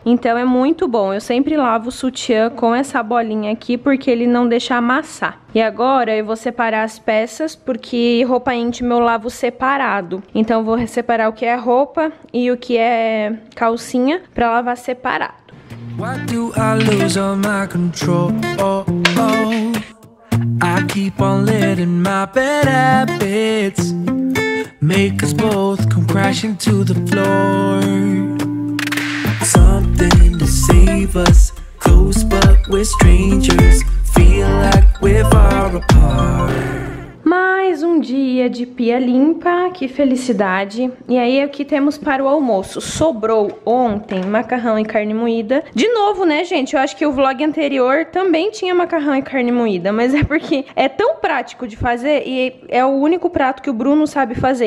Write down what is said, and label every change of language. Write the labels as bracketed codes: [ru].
[pt] Então é muito bom. Eu sempre lavo o sutiã com essa bolinha aqui, porque ele não deixa amassar. E agora eu vou separar as peças, porque roupa íntima eu lavo separado. Então eu vou separar o que é roupa e o que é calcinha pra lavar separado. [en] Why do I lose all my control? Oh, oh. I keep on letting my bad habits make us both come crashing to the floor. Something to save us. Close, but we're strangers. Feel like we're far apart. [pt] Mais um dia de pia limpa, que felicidade. E aí o que temos para o almoço? Sobrou ontem macarrão e carne moída. De novo, né, gente? Eu acho que o vlog anterior também tinha macarrão e carne moída, mas é porque é tão prático de fazer e é o único prato que o Bruno sabe fazer.